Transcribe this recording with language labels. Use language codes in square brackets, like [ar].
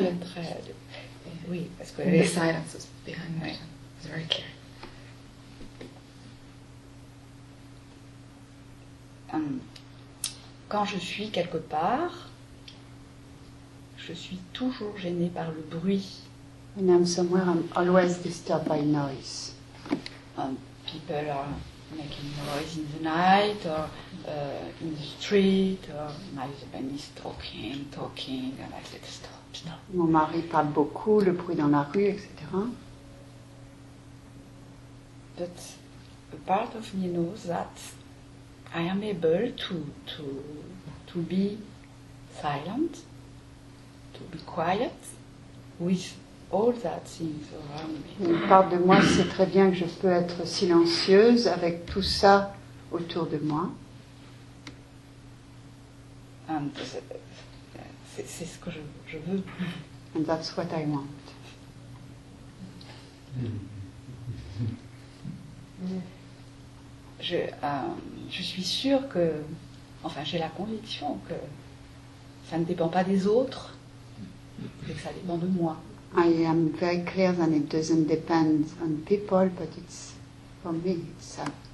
[fr] Oui, très. Oui, parce que [en] the silence was behind me. It's very clear. [fr] Quand je suis quelque part, je suis toujours gênée par le bruit. [en] When I'm somewhere, I'm always disturbed by noise. People are making noise in the night, or in the street, or my husband is talking, and I said, stop. [fr] Mon mari parle beaucoup, le bruit dans la rue, etc. [en] But a part of me knows that I am able to be silent, to be quiet, with all that things around me. [fr] Une part de moi sait très bien que je peux être silencieuse avec tout ça autour de moi. [en] And [fr] c'est ce que je veux. [en] And that's what I want. [fr] Je suis sûre que, enfin, j'ai la conviction que ça ne dépend pas des autres, mais que ça dépend de moi. [en] I am very clear that it doesn't depend on people, but it's for me, it's a...